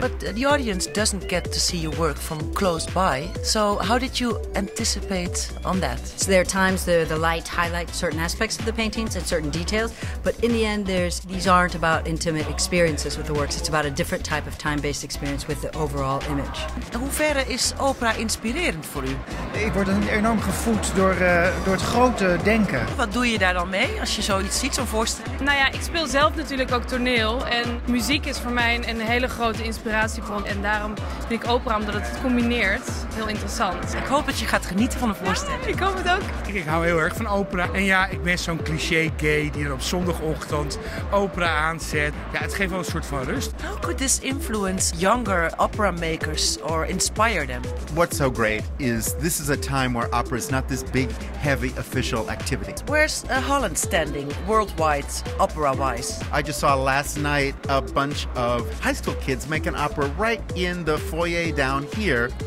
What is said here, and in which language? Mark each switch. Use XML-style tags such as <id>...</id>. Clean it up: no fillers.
<en>But the audience doesn't get to see your work from close by, so how did you anticipate on that? So there are times the light highlights certain aspects of the paintings and certain details, but in the end these aren't about intimate experiences with the works, it's about a different type of time-based experience with the overall image.</en> <nl>Hoe ver is opera inspirerend voor u? Ik word enorm gevoed door het grote denken. Wat doe je daar dan mee als je zoiets ziet, zo'n voorstelling? Nou ja, ik speel zelf natuurlijk ook toneel en muziek is voor mij een hele grote inspiratiebron en daarom vind ik opera, omdat het combineert, heel interessant. Ik hoop dat je gaat genieten van de voorstelling. Ja, ik hoop het ook. Ik hou heel erg van opera en ja, ik ben zo'n cliché gay die er op zondagochtend opera aanzet. Ja, het geeft wel een soort van rust.</nl> <en>How could this influence younger opera makers or inspire them? What's so great is this is a time where opera is not this big, heavy official activity. Where's Holland standing worldwide, opera-wise? I just saw last night a bunch of high school kids make an opera right in the foyer down here.</en>